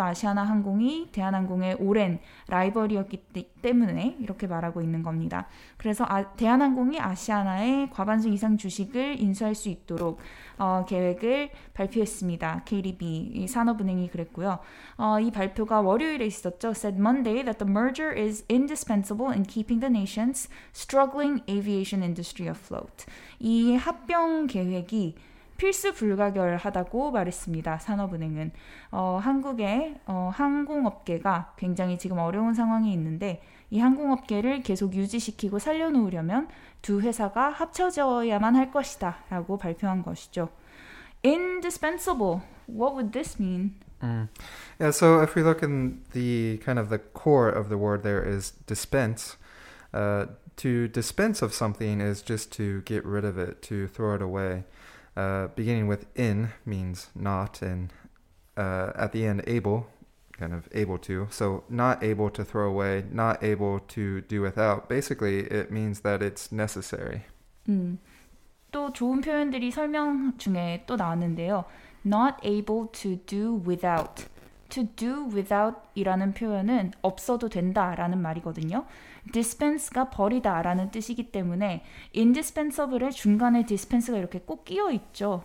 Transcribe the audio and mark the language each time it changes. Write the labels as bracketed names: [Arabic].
[Korean] 아시아나 항공이 대한항공의 오랜 라이벌이었기 때문에 이렇게 말하고 있는 겁니다. 그래서 대한항공이 아시아나의 과반수 이상 주식을 인수할 수 있도록 계획을 발표했습니다. KDB, 이 산업은행이 그랬고요. 이 발표가 월요일에 있었죠. [English] Said Monday that the merger is indispensable in keeping the nation's struggling aviation industry afloat. [Korean] 이 합병 계획이 필수 불가결하다고 말했습니다. 산업은행은 한국의 항공업계가 굉장히 지금 어려운 상황에 있는데 이 항공업계를 계속 유지시키고 살려놓으려면 두 회사가 합쳐져야만 할 것이다 라고 발표한 것이죠. [English] Indispensable. What would this mean? Yeah, so if we look in the kind of the core of the word there is dispense. To dispense of something is just to get rid of it, to throw it away. Beginning with in means not, and at the end able, kind of able to. So not able to throw away, not able to do without. Basically, it means that it's necessary. [Korean] 또 좋은 표현들이 설명 중에 또 나왔는데요. [English] Not able to do without. To do without이라는 [Korean] 표현은 없어도 된다라는 말이거든요. Dispense가 버리다라는 뜻이기 때문에 indispensable의 중간에 dispense가 이렇게 꼭 끼어 있죠.